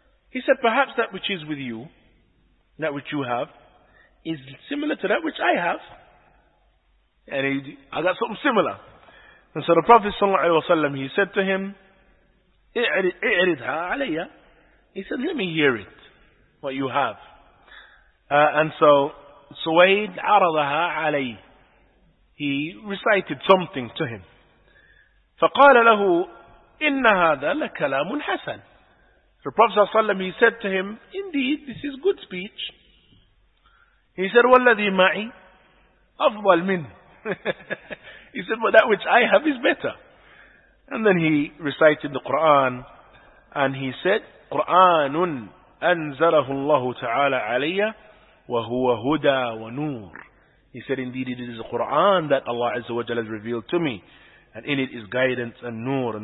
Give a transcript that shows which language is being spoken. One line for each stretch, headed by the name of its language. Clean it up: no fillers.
English: He said, perhaps that which is with you, that which you have, is similar to that which I have. And I got something similar. And so the Prophet ﷺ, he said to him,
Arabic: اِعْرِضْهَا عَلَيَّ.
English: He said, let me hear it, what you have.
Arabic: And so سويد عرضها عليه.
English: He recited something to him.
Arabic: فقال له إن هذا لكلام حسن.
English: The Prophet صلى الله عليه وسلم, he said to him, indeed, this is good speech. He said,
Arabic: والذي معي أفضل منه.
English: He said, but that which I have is better. And then he recited the Quran, and he said,
Arabic: قرآن أنزله الله تعالى علي وهو هدى ونور.
English: He said, indeed, it is the Quran that Allah Azza wa Jalla has revealed to me, and in it is guidance and nur.